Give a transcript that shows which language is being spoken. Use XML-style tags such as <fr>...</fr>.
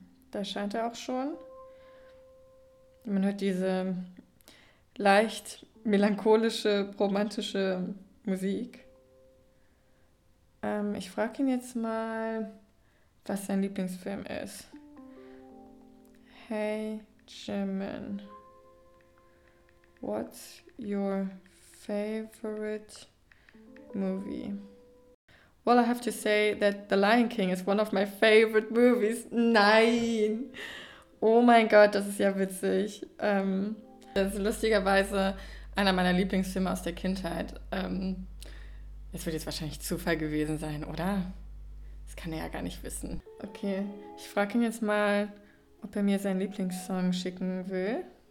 <de>Da scheint er auch schon. Man hört diese leicht melancholische, romantische Musik. Ich frage ihn jetzt mal, was sein Lieblingsfilm ist. Hey, Jimin.</de> <en>What's your favorite movie? Well, I have to say that The Lion King is one of my favorite movies.</en> <de>Nein! Oh mein Gott, das ist ja witzig. Das ist lustigerweise einer meiner Lieblingsfilme aus der Kindheit. Es wird jetzt wahrscheinlich Zufall gewesen sein, oder? Das kann er ja gar nicht wissen. Okay, ich frage ihn jetzt mal, ob er mir seinen Lieblingssong schicken will.</de>